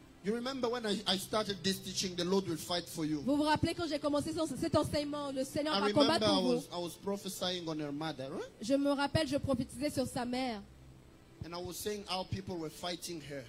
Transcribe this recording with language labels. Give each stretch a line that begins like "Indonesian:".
English: You remember when I started this teaching, the Lord will fight for you.
French: Vous vous rappelez quand j'ai commencé cet enseignement, le Seigneur va combattre pour vous.
English: I was prophesying on her mother. Right?
French: Je me rappelle, je prophétisais sur sa mère.
English: And I was saying how people were fighting her.